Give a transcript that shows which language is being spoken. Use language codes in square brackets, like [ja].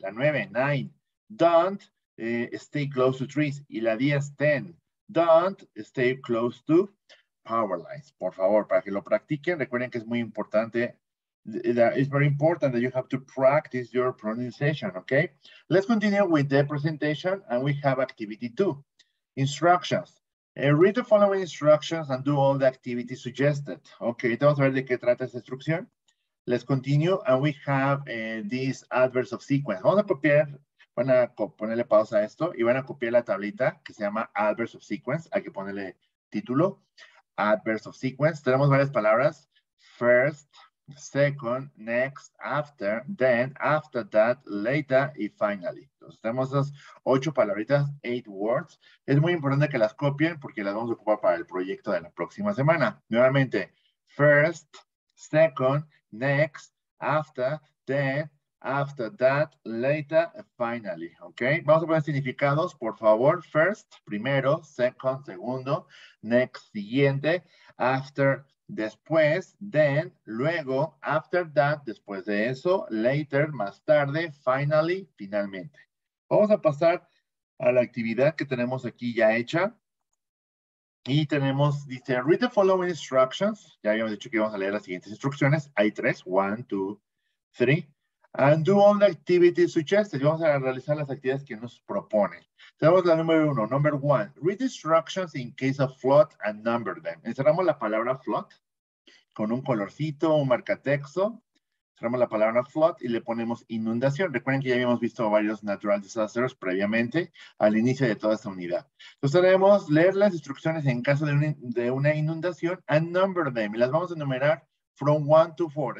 [es] La nueve, [en] nine, don't stay close to trees. [es] Y la 10, [en] 10. Don't stay close to power lines. [es] Por favor, para que lo practiquen, recuerden que es muy importante. [en] It's very important that you have to practice your pronunciation, okay? Let's continue with the presentation and we have activity 2. Instructions. Read the following instructions and do all the activities suggested. [es] Okay, vamos a ver de qué trata esta instrucción. [en] Let's continue and we have this adverse of sequence. [es] Vamos a copiar. Van a ponerle pausa a esto y van a copiar la tablita que se llama Adverse of Sequence. Hay que ponerle título. Adverse of Sequence. Tenemos varias palabras. [en] First, second, next, after, then, after that, later y finally. [es] Entonces, tenemos esas ocho palabritas, eight words. Es muy importante que las copien porque las vamos a ocupar para el proyecto de la próxima semana. Nuevamente, [en] first, second, next, after, then. After that, later, finally. [es] ¿Ok? Vamos a poner significados, por favor. First, primero. Second, segundo. Next, siguiente. After, después. Then, luego. After that, después de eso. Later, más tarde. Finally, finalmente. Vamos a pasar a la actividad que tenemos aquí ya hecha. Y tenemos, dice, [en] read the following instructions. [es] Ya habíamos dicho que íbamos a leer las siguientes instrucciones. Hay tres. [en] One, two, three. And do all the activities suggested. [es] Vamos a realizar las actividades que nos proponen. Tenemos la número uno. [en] Number one. Read instructions in case of flood and number them. [es] Encerramos la palabra flood con un colorcito, un marcatexto. Cerramos la palabra flood y le ponemos inundación. Recuerden que ya habíamos visto varios natural disasters previamente al inicio de toda esta unidad. Entonces tenemos leer las instrucciones en caso de una inundación [en] and number them. [es] Y las vamos a enumerar [en] from one to four.